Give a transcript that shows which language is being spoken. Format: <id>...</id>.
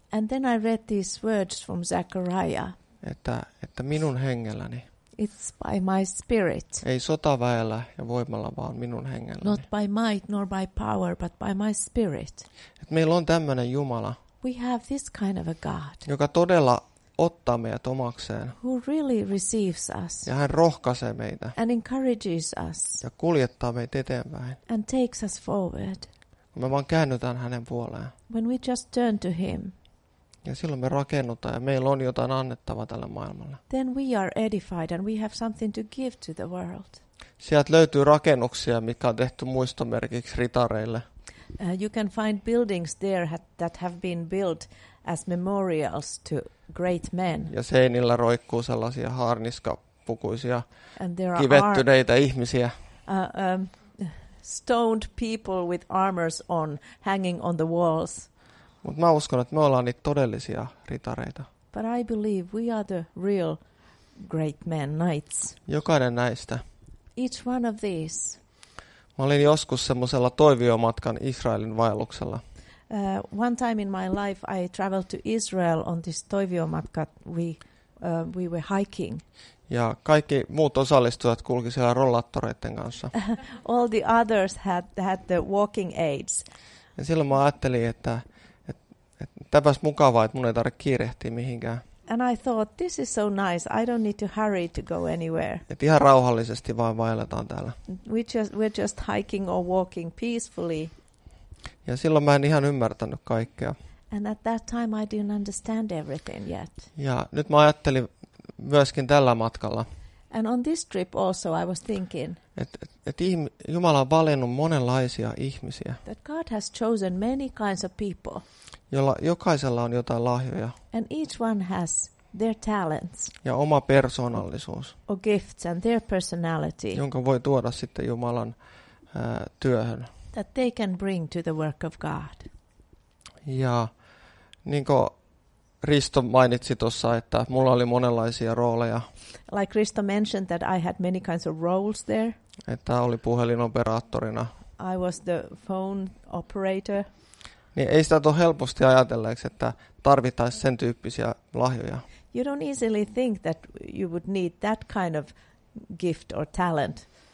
<en>And then I read these words from Zechariah.</en> <fi>Että minun hengelläni.</fi> <en>It's by my spirit.</en> <fi>Ei sotaväellä ja voimalla, vaan minun hengelläni.</fi> <en>Not by might nor by power, but by my spirit.</en> <fi>Et meillä on tämmöinen Jumala.</fi> <en>We have this kind of a God.</en> <fi>Joka todella ottaa meidät omakseen.</fi> <en>Who really receives us.</en> <fi>Ja hän rohkaisee meitä.</fi> <en>And encourages us.</en> <fi>Ja kuljettaa meitä eteenpäin.</fi> <en>And takes us forward.</en> <fi>Kun me vaan käännytään hänen puoleen.</fi> <en>When we just turn to him.</en> <fi>Ja silloin me rakennutaan ja meillä on jotain annettavaa tälle maailmalle.</fi> <en>Then we are edified and we have something to give to the world.</en> <fi>Sieltä löytyy rakennuksia, mitkä on tehty muistomerkiksi ritareille.</fi> <en>You can find buildings there that have been built as memorials to great men.</en> <fi>Ja seinillä roikkuu sellaisia haarniskapukuisia kivettyneitä ihmisiä.</fi> <en>Stoned people with armors on hanging on the walls.</en> <fi>Mut mä uskon, että me ollaan niitä todellisia ritareita.</fi> <en>But I believe we are the real great men, knights.</en> <fi>Jokainen näistä.</fi> <en>Each one of these.</en> <fi>Mä olin joskus semmoisella toiviomatkan Israelin vaelluksella.</fi> <en>One time in my life I traveled to Israel on this toiviomatka. We were hiking.</en> <fi>Ja kaikki muut osallistujat kulki siellä rollaattoreiden kanssa.</fi> <en>All the others had the walking aids.</en> <fi>Ja silloin mä ajattelin, että täpäs mukavaa, että mun ei tarvitse kiirehtiä mihinkään.</fi> <en>And I thought, this is so nice, I don't need to hurry to go anywhere.</en> <fi>Et ihan rauhallisesti vaan vaelletaan täällä.</fi> <en>We're just hiking or walking peacefully.</en> <fi>Ja silloin mä en ihan ymmärtänyt kaikkea.</fi> <en>And at that time I didn't understand everything yet.</en> <fi>Ja nyt mä ajattelin myöskin tällä matkalla.</fi> <en>And on this trip also I was thinking.</en> <fi>Jumala on valinnut monenlaisia ihmisiä.</fi> <en>That God has chosen many kinds of people.</en> <fi>Jolla jokaisella on jotain lahjoja.</fi> <en>And each one has their talents.</en> <fi>Ja oma persoonallisuus.</fi> <en>Or gifts and their personality.</en> <fi>Jonka voi tuoda sitten Jumalan työhön.</fi> <en>That they can bring to the work of God.</en> <fi>Ja niin kuin Risto mainitsi tuossa, että mulla oli monenlaisia rooleja.</fi> <en>Like Risto mentioned that I had many kinds of roles there.</en> <fi>Että oli puhelinoperaattorina.</fi> <en>I was the phone operator.</en> <fi>Niin ei sitä tule helposti ajatelleeksi, että tarvittaisiin sen tyyppisiä lahjoja.</fi> <en>You don't easily think that you would need that kind of gift or talent.</en>